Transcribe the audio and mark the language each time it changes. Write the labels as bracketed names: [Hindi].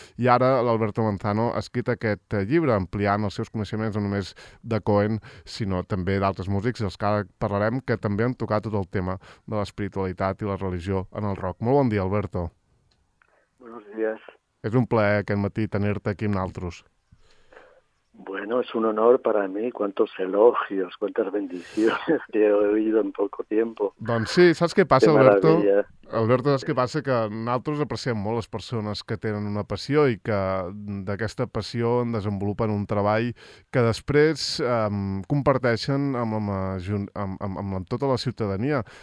[Catalan] I ara l'Alberto Manzano ha escrit aquest llibre ampliant els seus coneixements no només de Cohen, sinó també d'altres músics, dels que ara parlarem, que també han tocat tot el tema de l'espiritualitat i la religió en el rock. Molt bon dia, Alberto. [Spanish] Buenos días. [Catalan] És un plaer aquest matí tenir-te aquí amb nosaltres. [Spanish] Bueno, es un honor para mí. Cuántos elogios, cuántas bendiciones que he oído en poco tiempo. [Catalan] Doncs sí, saps què passa, Alberto? Alberto, saps què passa? Que nosaltres apreciem molt les persones que tenen una passió i que d'aquesta passió en desenvolupen un treball que després comparteixen amb tota la ciutadania.